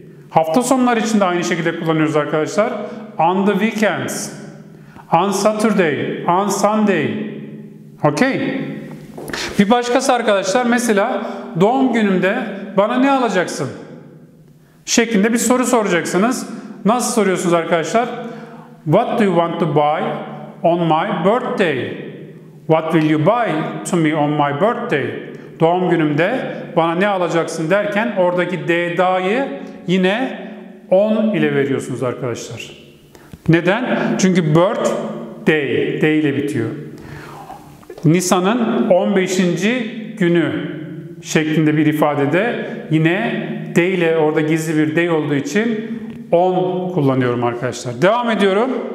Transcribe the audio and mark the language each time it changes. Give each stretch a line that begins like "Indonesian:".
Turkish: Hafta sonları için de aynı şekilde kullanıyoruz arkadaşlar.
English: On the weekends, on Saturday, on Sunday. Okay.
Turkish: Bir başkası arkadaşlar mesela doğum günümde bana ne alacaksın şeklinde bir soru soracaksınız. Nasıl soruyorsunuz arkadaşlar?
English: What do you want to buy on my birthday? What will you buy to me on my birthday?
Turkish: Doğum günümde bana ne alacaksın derken oradaki D'yi yine 10 ile veriyorsunuz arkadaşlar. Neden? Çünkü birthday, D ile bitiyor. Nisan'ın 15. günü şeklinde bir ifadede yine D ile orada gizli bir D olduğu için 10 kullanıyorum arkadaşlar. Devam ediyorum.